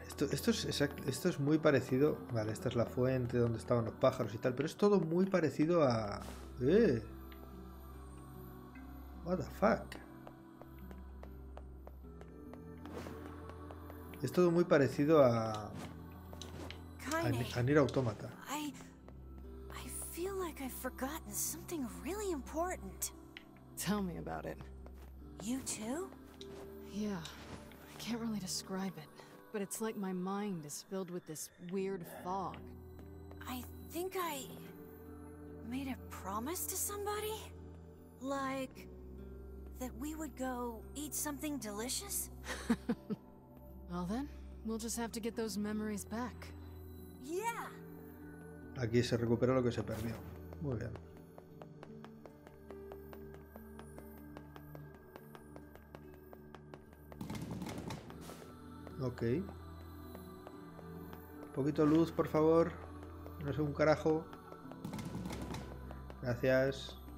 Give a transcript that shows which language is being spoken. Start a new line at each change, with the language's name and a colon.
Spanish: Esto es muy parecido. Vale, esta es la fuente donde estaban los pájaros y tal, pero es todo muy parecido a
English: What the fuck.
Spanish: Es todo muy parecido a Nier Automata.
English: I feel like I've forgotten something really important. Tell me about it. You too? Yeah. I can't really describe it. But it's like my mind is filled with this weird fog. I think I made a promise to somebody? Like that we would go eat something delicious? Well then, we'll just have to get those memories back. Yeah.
Spanish: Aquí se recupera lo que se perdió. Muy bien. Ok. Un poquito de luz, por favor. No sé un carajo. Gracias.